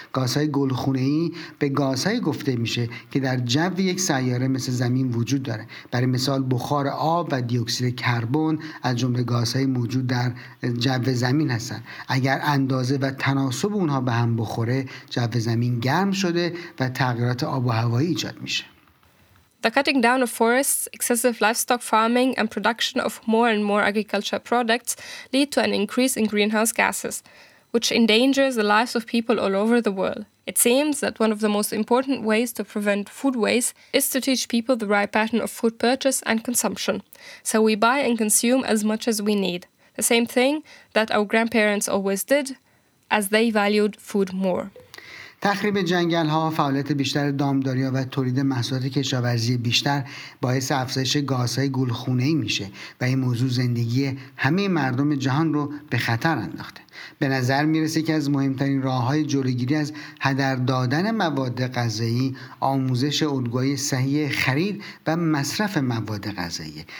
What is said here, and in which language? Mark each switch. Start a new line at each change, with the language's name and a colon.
Persian: گازهای گلخونه ای به گازهایی گفته میشه که در جو یک سیاره مثل زمین وجود داره. برای مثال بخار آب و دی اکسید کربن از جمله گازهای موجود در جو زمین هستن. اگر اندازه و تناسب اونها به هم بخوره، جو زمین گرم شده و تغییرات آب و هوایی ایجاد میشه.
English: The cutting down of forests, excessive livestock farming and production of more and more agricultural products lead to an increase in greenhouse gases, which endangers the lives of people all over the world. It seems that one of the most important ways to prevent food waste is to teach people the right pattern of food purchase and consumption. So we buy and consume as much as we need. The same thing that our grandparents always did, as they valued food more.
Persian: تخریب جنگل ها، فعالیت بیشتر دامداری ها و تولید محصولات کشاورزی بیشتر باعث افزایش گازهای گلخونه ای میشه و این موضوع زندگی همه مردم جهان رو به خطر انداخته. به نظر میرسه که از مهمترین راه های جلوگیری از هدر دادن مواد غذایی آموزش الگوهای صحیح خرید و مصرف مواد غذایی.